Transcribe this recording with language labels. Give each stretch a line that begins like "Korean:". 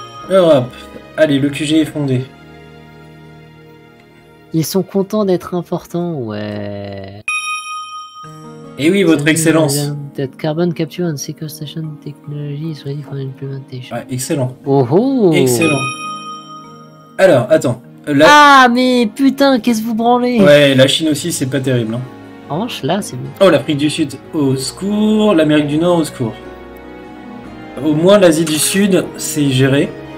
French: Europe, allez, le QG est fondé. Ils sont contents d'être importants, ouais. Et oui, votre excellence.
English: That carbon capture and sequestration technology is ready for implementation.
French: Ouais, excellent. Oh oh. Excellent. Alors, attends. Là... Ah, mais putain, qu'est-ce que vous branlez? Ouais, la Chine aussi, c'est pas terrible. Hein. En revanche, là, c'est mieux. Oh, l'Afrique du Sud, au secours. L'Amérique du Nord, au secours. Au moins, l'Asie du Sud, c'est géré.